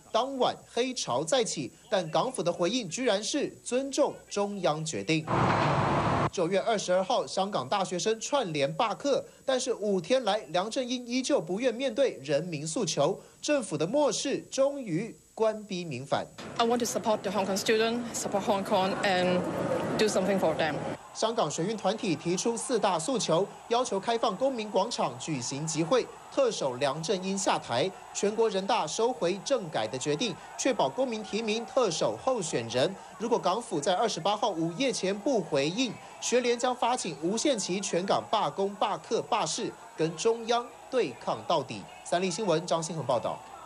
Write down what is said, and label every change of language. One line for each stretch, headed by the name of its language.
Chinese: 当晚黑潮再起，但港府的回应居然是尊重中央决定。 9月22号，香港大学生串联罢课，但是5天来，梁振英依旧不愿面对人民诉求，政府的漠视终于。官逼民反。
English: I want to support the Hong Kong student, support Hong Kong and do something for them.
Chinese: 香港学运团体提出4大诉求，要求开放公民广场举行集会，特首梁振英下台，全国人大收回政改的决定，确保公民提名特首候选人。如果港府在28号午夜前不回应，学联将发起无限期全港罢工、罢课、罢市，跟中央对抗到底。三立新闻张新恒报道。